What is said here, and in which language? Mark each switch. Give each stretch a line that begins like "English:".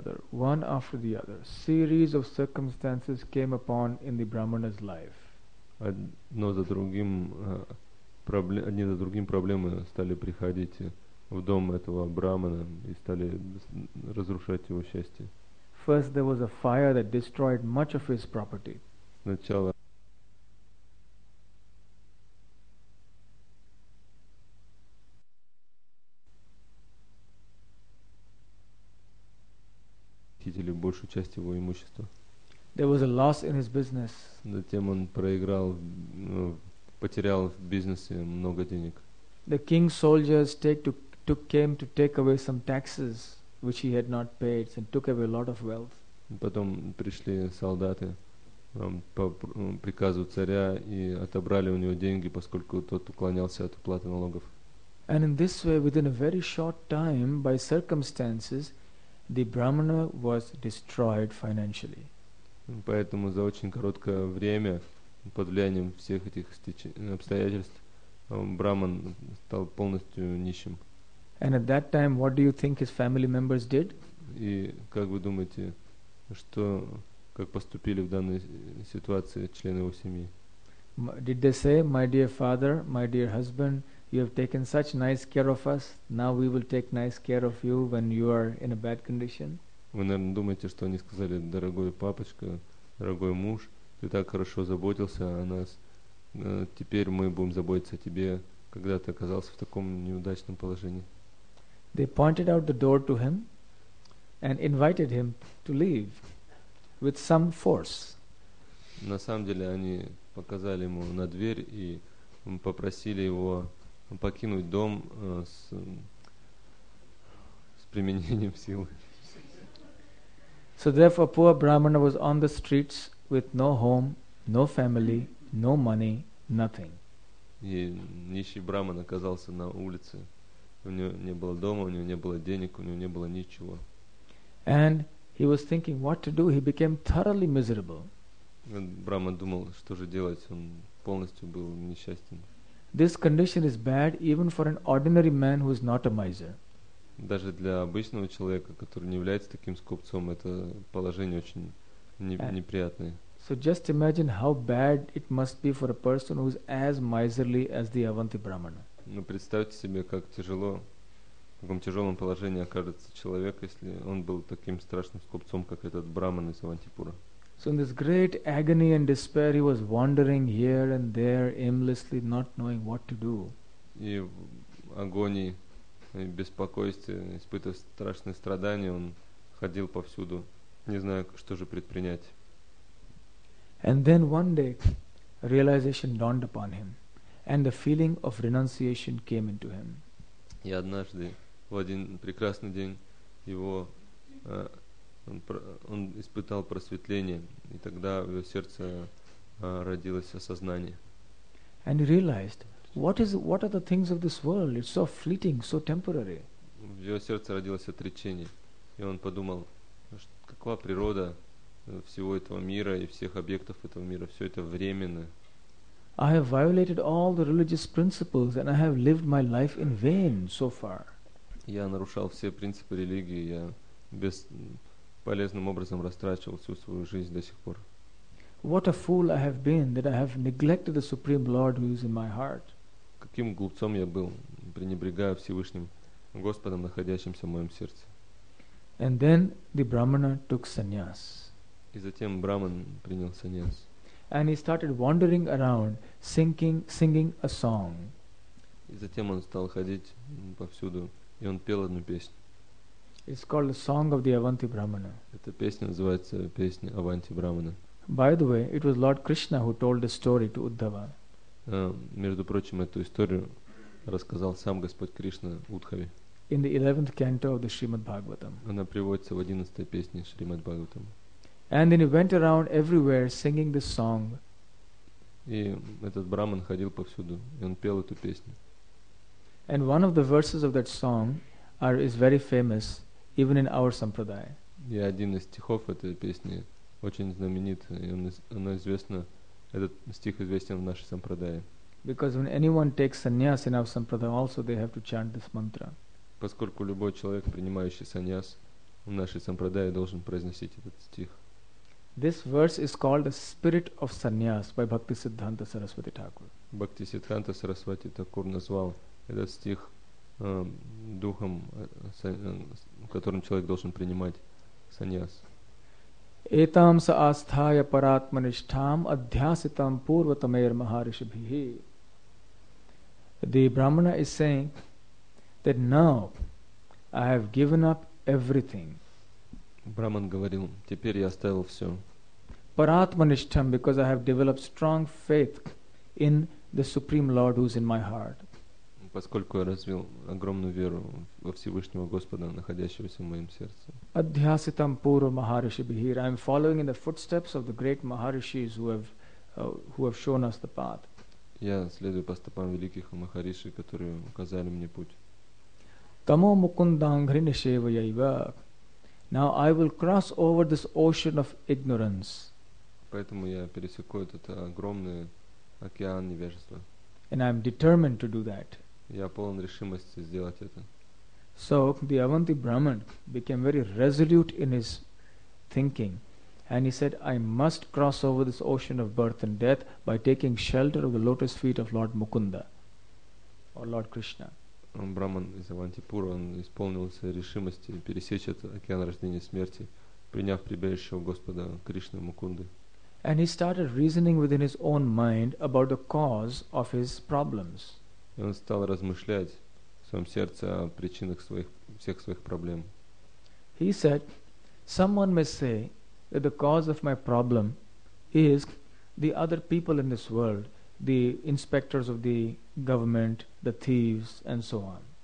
English: One after the other, series of circumstances came upon in the Brahmana's life.
Russian: Одни за другим проблемы стали приходить в дом этого брахмана и стали разрушать его счастье.
English: First there was a fire that destroyed much of his property.
Russian: Сначала похитили большую часть его имущества.
English: There was a loss in his business.
Russian: Затем он проиграл, потерял в бизнесе много денег.
English: The king's soldiers came to take away some taxes which he had not paid and took away a lot of wealth.
Russian: Потом пришли солдаты по приказу царя и отобрали у него деньги, поскольку тот уклонялся от уплаты налогов.
English: And in this way, within a very short time, by circumstances, the brahmana was destroyed financially.
Russian: Поэтому за очень короткое время, под влиянием всех этих обстоятельств, Брахман стал полностью нищим.
English: And at that time, what do you think his family members did?
Russian: И как вы думаете, что, как поступили в данной ситуации члены его семьи?
English: Did they say, my dear father, my dear husband, you have taken such nice care of us, now we will take nice care of you when you are in a bad condition?
Russian: Вы, наверное, думаете, что они сказали: дорогой папочка, дорогой муж, ты так хорошо заботился о нас, теперь мы будем заботиться о тебе, когда ты оказался в таком неудачном положении.
English: They pointed out the door to him and invited him to leave with some force.
Russian: На самом деле они показали ему на дверь и попросили его покинуть дом с применением силы.
English: So therefore, poor Brahmana was on the streets with no home, no family, no money, nothing.
Russian: И нищий Брахман оказался на улице. У него не было дома, у него не было денег, у него не было ничего.
English: And he was thinking what to do. He became thoroughly miserable.
Russian: Брахман думал, что же делать. Он полностью был несчастен.
English: This condition is bad even for an ordinary man who is not a miser.
Russian: Даже для обычного человека, который не является таким скупцом, это положение очень неприятное.
English: So just imagine how bad it must be for a person who is as miserly as the Avanti Brahmana.
Russian: Ну представьте себе, как тяжело, в каком тяжелом положении окажется человек, если он был таким страшным скупцом, как этот Брахман из Авантипура.
English: So in this great agony and despair, he was wandering here and there aimlessly, not knowing what to do.
Russian: И в агонии и беспокойстве, испытывая страшные страдания, он ходил повсюду, не зная, что же предпринять.
English: And then one day, realization dawned upon him, and the feeling of renunciation came into him.
Russian: И однажды, в один прекрасный день, он испытал просветление, и тогда в его сердце родилось осознание.
English: And he realized What are the things of this world? It's so fleeting, so temporary.
Russian: В его сердце родилось отречение, и он подумал, какова природа всего этого мира и всех объектов этого мира? Все это временно.
English: I have violated all the religious principles, and I have lived my life in vain so far.
Russian: Я нарушал все принципы религии, я бесполезным образом растрачивал всю свою жизнь до сих пор.
English: What a fool I have been that I have neglected the Supreme Lord who is in my heart.
Russian: Каким глупцом я был, пренебрегая Всевышним Господом, находящимся в моем сердце.
English: And then the Brahmana took sannyas.
Russian: И затем Браман принял сannyas.
English: And he started wandering around, singing a song.
Russian: И затем он стал ходить повсюду, и он пел одну песню.
English: It's called the song of the Avanti Brahmana.
Russian: Эта песня называется песня Аванти Брамана.
English: By the way, it was Lord Krishna who told the story to Uddhava.
Russian: Между прочим, эту историю рассказал сам Господь Кришна Удхаве.
English: In the 11th canto of the Shrimad Bhagavatam.
Russian: Она приводится в 11-й песне Шримад Бхагаватам.
English: And then he went around everywhere singing this song.
Russian: И этот браман ходил повсюду, и он пел эту песню.
English: And one of the verses of that song is very famous even in our sampradaya.
Russian: И один из стихов этой песни очень знаменит, и оно известно, этот стих известен в нашей сампрадае.
English: Because when anyone takes sannyas in our sampradaya also they have to chant this mantra.
Russian: Поскольку любой человек, принимающий sannyas в нашей сампрадае, должен произносить этот стих.
English: This verse is called the spirit of sannyas by Bhaktisiddhanta Saraswati Thakur.
Russian: Bhaktisiddhanta Saraswati Thakur назвал этот стих духом, которым человек должен принимать sannyas.
Sanskrit: Этам са астхая параатмаништхам адхьяситам пурватамейр махаришибхи.
English: The Brahmana is saying that now I have given up everything.
Russian: Браман говорил, теперь я оставил все.
Sanskrit: Параатмаништхам,
English: because I have developed strong faith in the Supreme Lord who is in my heart.
Russian: Поскольку я развил огромную веру во Всевышнего Господа, находящегося в моем сердце.
Sanskrit: Adhyasitam puro maharishi bihir.
English: I am following in the footsteps of the great maharishis who have shown us the path.
Russian: Я следую по стопам великих махариши, которые указали мне путь.
Sanskrit: Tamo mukundanghri nishevayaiva.
English: Now I will cross over this ocean of ignorance.
Russian: Поэтому я пересеку этот огромный океан невежества.
English: And I am determined to do that.
Russian: Я полон решимости сделать это.
English: So the Avanti Brahman became very resolute in his thinking, and he said, "I must cross over this ocean of birth and death by taking shelter of the lotus feet of Lord Mukunda, or Lord Krishna."
Russian: Браман из Авантипура, он исполнился решимости пересечь этот океан рождения и смерти, приняв прибежище у Господа Кришны Мукунды.
English: And he started reasoning within his own mind about the cause of his problems.
Russian: И он стал размышлять в своем сердце о причинах своих, всех своих проблем.
English: He said, someone may say that the cause of my problem is the other people in this world, the inspectors of the government, the thieves, and so on.